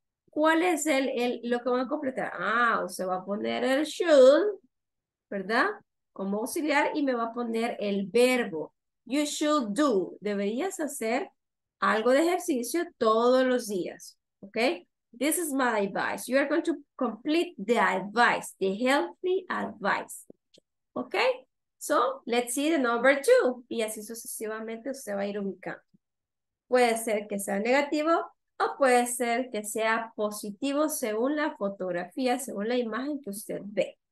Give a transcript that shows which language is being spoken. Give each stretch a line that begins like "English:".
Spanish: ¿Cuál es lo que van a completar? Ah, se va a poner el should, ¿verdad? Como auxiliar y me va a poner el verbo.
English: You should do.
Spanish: Deberías hacer algo de ejercicio todos los días, ¿ok?
English: This is my advice. You are going to complete the advice, the healthy advice. Okay? So, let's see the number two.
Spanish: Y así sucesivamente usted va a ir ubicando. Puede ser que sea negativo o puede ser que sea positivo según la fotografía, según la imagen que usted ve.